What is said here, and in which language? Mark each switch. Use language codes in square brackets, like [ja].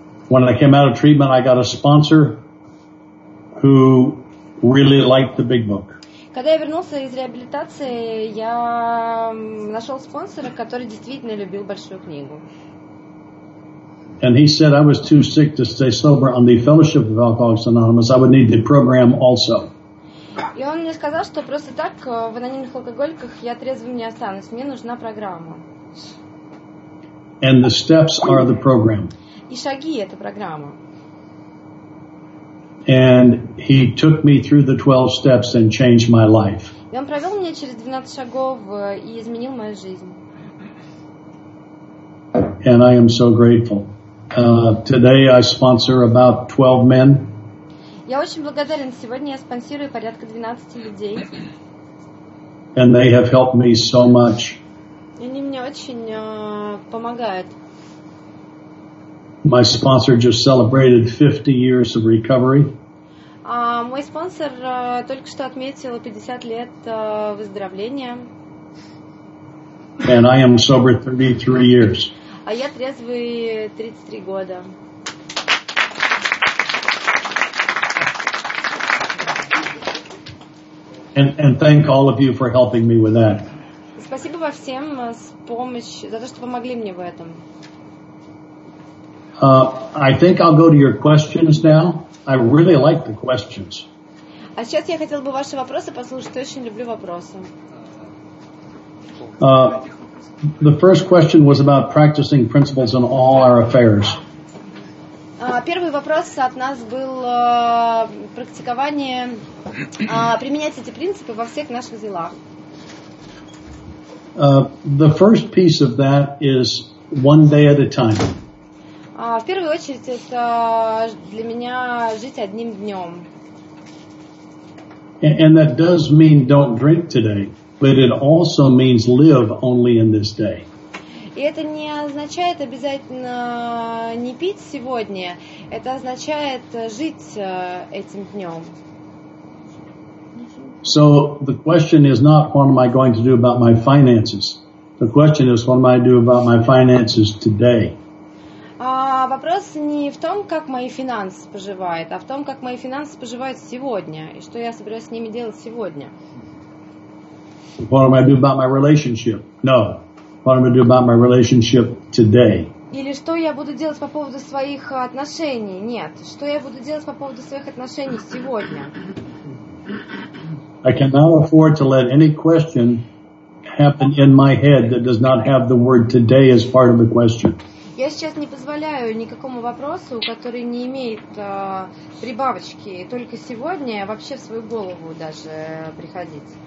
[en] When I came out of treatment, I got a sponsor who really liked the big book. [ru] Когда я вернулся из реабилитации, я нашел спонсора, который действительно любил большую книгу. [en] And he said I was too sick to stay sober on the Fellowship of Alcoholics Anonymous. I would need the program also. [ru] И он мне сказал, что просто так в анонимных алкоголиках я трезвым не останусь. Мне нужна программа. [en] And the steps are the program. [ru] И шаги – это программа. [en] And he took me through the 12 steps and changed my life. [ru] И он провел меня через 12 шагов и изменил мою жизнь. [en] And I am so grateful. Today I sponsor about 12 men. [ru] Я очень благодарен. Сегодня я спонсирую порядка 12 людей. [en] And they have helped me so much. [ru] Они мне очень помогают. [en] My sponsor just celebrated 50 years of recovery. [ru] Мой спонсор только что отметил 50 лет выздоровления. [en] And I am sober 33 years. [ru] А я трезвый 33 года. [en] And thank all of you for helping me with that. [ru] Спасибо вам всем за то, что помогли мне в этом. [en] I think I'll go to your questions now. I really like the questions. [ru] А сейчас я хотел бы ваши вопросы послушать. Очень люблю вопросы. [en] The first question was about practicing principles in all our affairs. [ru] Первый вопрос от нас был практикование, применять эти принципы во всех наших делах. [en] The first piece of that is one day at a time. [ru] В первую очередь, это для меня жить одним днем. [en] And that does mean don't drink today. But it also means live only in this day. [ru] И это не означает обязательно не пить сегодня. Это означает жить этим днем. [en] So the question is not what am I going to do about my finances. The question is what am I do about my finances today. [ru] Вопрос не в том, как мои финансы поживают, а в том, как мои финансы поживают сегодня и что я собираюсь с ними делать сегодня. [en] What am I do about my relationship? No. What am I do about my relationship today? [ru] Или что я буду делать по поводу своих отношений? Нет. Что я буду делать по поводу своих отношений сегодня? [en] I cannot afford to let any question happen in my head that does not have the word today as part of the question. [ru] Я сейчас не позволяю никакому вопросу, который не имеет прибавочки, только сегодня вообще в свою голову даже приходить.